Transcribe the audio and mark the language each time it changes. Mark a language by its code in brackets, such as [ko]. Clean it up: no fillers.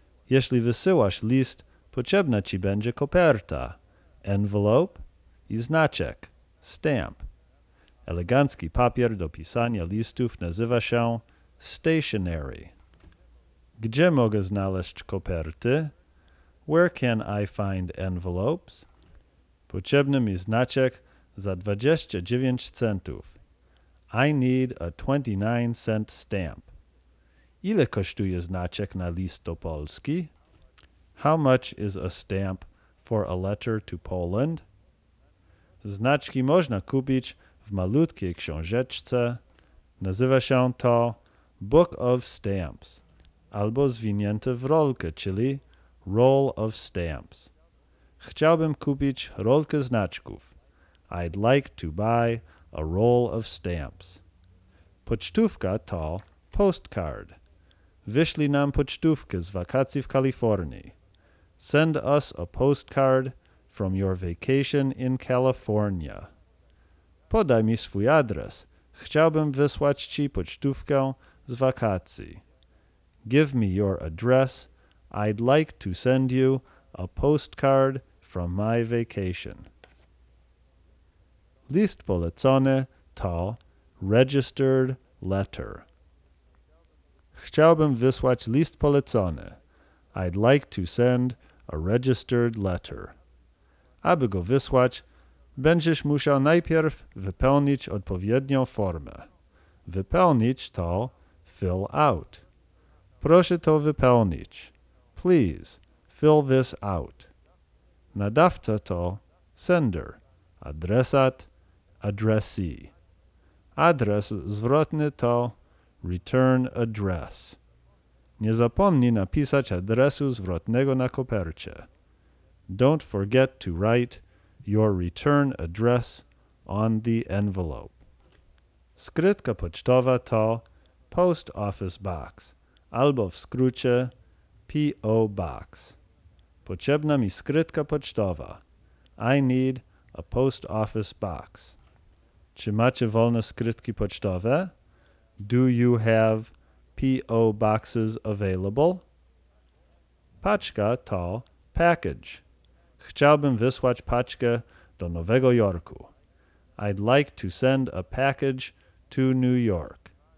[pl] Jeśli wysyłasz list, potrzebna ci będzie koperta, envelope i znaczek, stamp. Elegancki papier do pisania listów nazywa się stationery. Gdzie mogę znaleźć koperty? [en] Where can I find envelopes? [pl] Potrzebny mi znaczek za 29 centów. [en] I need a 29-cent stamp. [pl] Ile kosztuje znaczek na list do Polski? [en] How much is a stamp for a letter to Poland? [pl] Znaczki można kupić w malutkiej książeczce. Nazywa się to Book of Stamps albo zwinięte w rolkę, czyli Roll of Stamps. Chciałbym kupić rolkę znaczków. [en] I'd like to buy a roll of stamps. [pl] Pocztówka to postcard. Wyślij nam pocztówkę z wakacji w Kalifornii. [en] Send us a postcard from your vacation in California. [pl] Podaj mi swój adres. Chciałbym wysłać ci pocztówkę z wakacji. [en] Give me your address. I'd like to send you a postcard from my vacation. [pl] List polecony to registered letter. Chciałbym wysłać list polecony. [en] I'd like to send a registered letter. [pl] Aby go wysłać, będziesz musiał najpierw wypełnić odpowiednią formę. Wypełnić to fill out. Proszę to wypełnić. [en] Please fill this out. [pl] Nadawca to [en] sender. [pl] Adresat, addressee. Adres zwrotny to return address. Nie zapomnij napisać adresu zwrotnego na kopercie. [en] Don't forget to write your return address on the envelope. [pl] Skrytka pocztowa to post office box, albo w skrócie P.O. Box. Potrzebna mi skrytka pocztowa. [en] I need a post office box. [pl] Czy macie wolne skrytki pocztowe? [en] Do you have P.O. boxes available? [pl] Paczka to [en] package. [pl] Chciałbym wysłać paczkę do Nowego Jorku. [en] I'd like to send a package to New York.